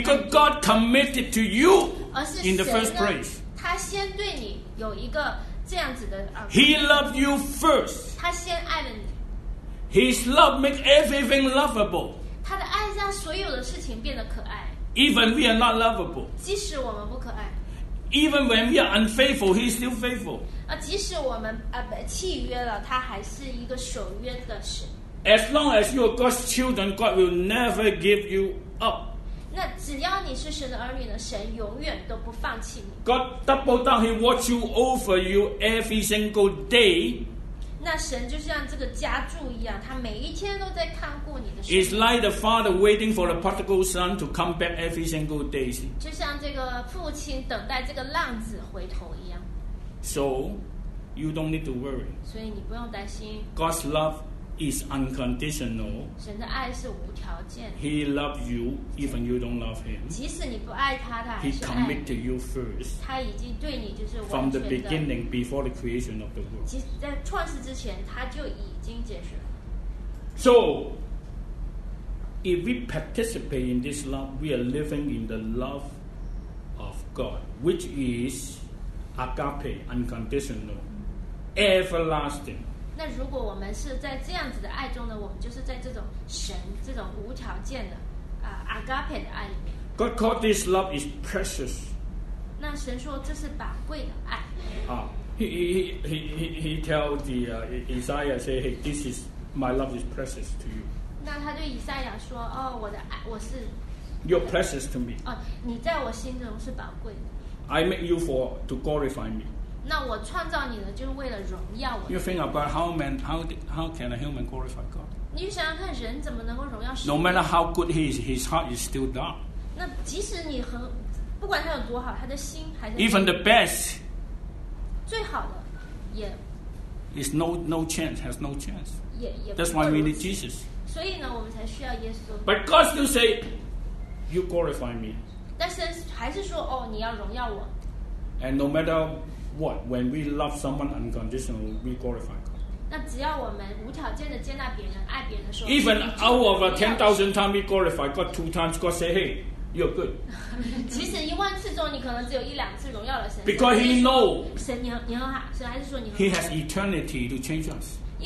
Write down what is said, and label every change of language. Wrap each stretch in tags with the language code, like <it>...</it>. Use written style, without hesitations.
<en>，Because God committed to you in the first place，</en> <zh>他先对你有一个这样子的。</zh> <en>He loved you first，</en> <zh>他先爱了你。</zh> <en>His love makes everything lovable，</en> <zh>他的爱让所有的事情变得可爱。</zh> <en>Even we are not lovable，</en> <zh>即使我们不可爱。</zh> <en>Even when we are unfaithful, He is still faithful.</en> <zh>即使我们契约了，他还是一个守约的神。</zh> <en>As long as you are God's children, God will never give you up.</en> <zh>那只要你是神的儿女呢，神永远都不放弃你。</zh> <en>God double down, He watch you over you every single day.</en> <zh>那神就像这个家柱一样，他每一天都在看顾你的。</zh> <en>It's like the father waiting for the prodigal son to come back every single day.</en> <zh>就像这个父亲等待这个浪子回头一样。</zh> <en>So, you don't need to worry.</en> <zh>所以你不用担心。</zh> <en>God's love is unconditional.</en> <zh>神的爱是无条件。</zh> <en>He loves you even you don't love him.</en> <zh>即使你不爱他，他还是爱你。</zh> <en>He committed to you first.</en> <zh>他已经对你就是完全的。</zh> <en>From the beginning, before the creation of the world.</en> <zh>即使在创世之前，他就已经解释了。</zh> <en>So, if we participate in this love, we are living in the love of God, which is. Agape, unconditional, everlasting.</en> <zh>那如果我们是在这样子的爱中呢，我们就是在这种神这种无条件的agape 的爱里面。</zh> <en>God called this love is precious.</en> <zh>那神说这是宝贵的爱。</zh> <en>He tell the Isaiah say, hey, this is my love is precious to you.</en> <zh>那他对以赛亚说，哦，我的爱，我是。</zh> <en>You're precious to me.</en> <zh>哦，你在我心中是宝贵的。</zh> <en>I make you for to glorify me.</en> <zh>那我创造你呢，就是为了荣耀我。</zh> <en>You think about how can a human glorify God?</en> <zh>你想想看，人怎么能够荣耀神</zh> <en>？No matter how good he is, his heart is still dark.</en> <zh>那即使你很不管他有多好，他的心还是</zh> <en>even the best</en> <zh>最好的也</zh> <en>is no chance, has no chance.</en> <zh>也</zh> <en>That's why we need Jesus.</en> <zh>所以呢，我们才需要耶稣。</zh> <en>But God still say, you glorify me.</en> <zh>但是还是说，哦，你要荣耀我。</zh> <en>And no matter what, when we love someone unconditionally, we glorify God. Even out of 10,000 times we glorify God, two times God say, hey, you're good. Because he knows he has eternity to change us.</en>